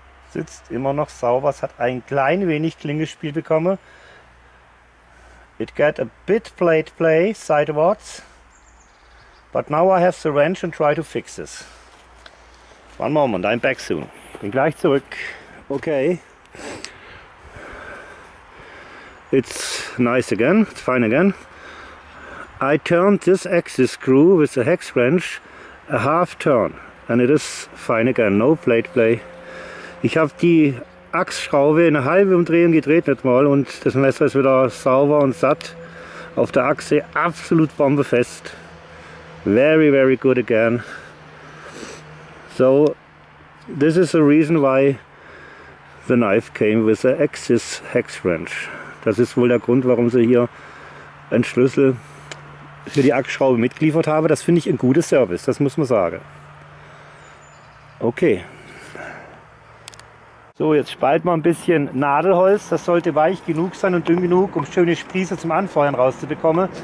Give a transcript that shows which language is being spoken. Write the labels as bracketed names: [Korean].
[German] Sitzt immer noch sauber, es hat ein klein wenig Klingenspiel bekommen. [English] It got a bit plate play sidewards, but now I have the wrench and try to fix this. One moment, I'm back soon. [German] Bin gleich zurück. [English] Okay. It's nice again, it's fine again. I turned this axis screw with a hex wrench a half turn and it is fine again, no plate play. [German] Ich habe die Achsschraube in eine halbe Umdrehung gedreht, nicht mal, und das Messer ist wieder sauber und satt auf der Achse, absolut bombefest. [English] Very, very good again. So, this is the reason why the knife came with the Axis hex wrench. [German] Das ist wohl der Grund, warum sie hier einen Schlüssel für die Achsschraube mitgeliefert haben. Das finde ich ein gutes Service, das muss man sagen. Okay. So, jetzt spalten wir ein bisschen Nadelholz. Das sollte weich genug sein und dünn genug, um schöne Spieße zum Anfeuern rauszubekommen.